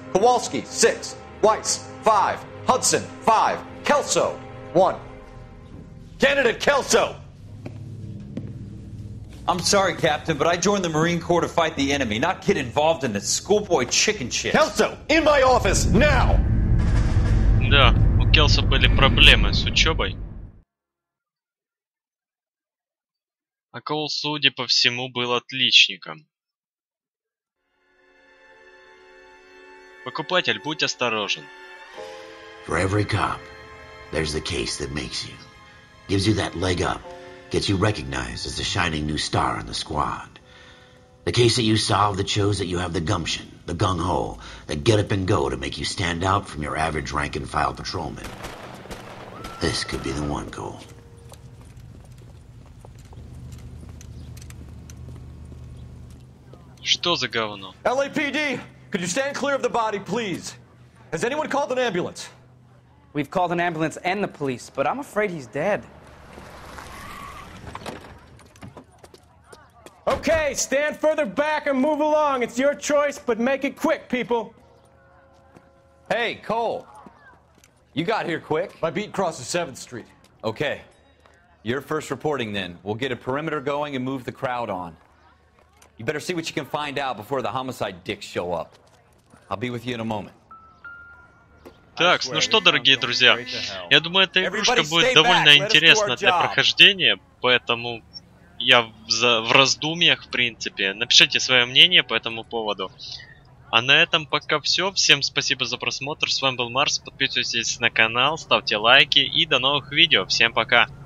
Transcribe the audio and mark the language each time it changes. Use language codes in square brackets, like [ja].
[en] Kowalski, 6. Weiss, 5. Hudson, 5. Kelso, 1. Candidate Kelso! I'm sorry, Captain, but I joined the Marine Corps to fight the enemy, not get involved in the schoolboy chicken shit. Kelso, in my office, now! [ru] Да, у Келсо были проблемы с учебой. А Коул, судя по всему, был отличником. Покупатель, будь осторожен. [en] For every cop, there's the case that makes you. Gives you that leg up. Gets you recognized as the shining new star in the squad. The case that you solved that shows that you have the gumption, the gung-ho, the get-up-and-go to make you stand out from your average rank-and-file patrolman. This could be the one, Cole. [ru] Что за говно? [en] LAPD! Could you stand clear of the body, please? Has anyone called an ambulance? We've called an ambulance and the police, but I'm afraid he's dead. Okay, stand further back and move along. It's your choice, but make it quick, people. Hey, Cole. You got here quick. My beat crosses 7th Street. Okay. You're first reporting, then. We'll get a perimeter going and move the crowd on. You better see what you can find out before the homicide dicks show up. I'll be with you in a moment. [ru] Так, ну что, дорогие друзья, я думаю, эта игрушка будет довольно интересна для прохождения, поэтому я в раздумьях, в принципе. Напишите свое мнение по этому поводу. А на этом пока все. Всем спасибо за просмотр. С вами был Марс. Подписывайтесь на канал, ставьте лайки и до новых видео. Всем пока!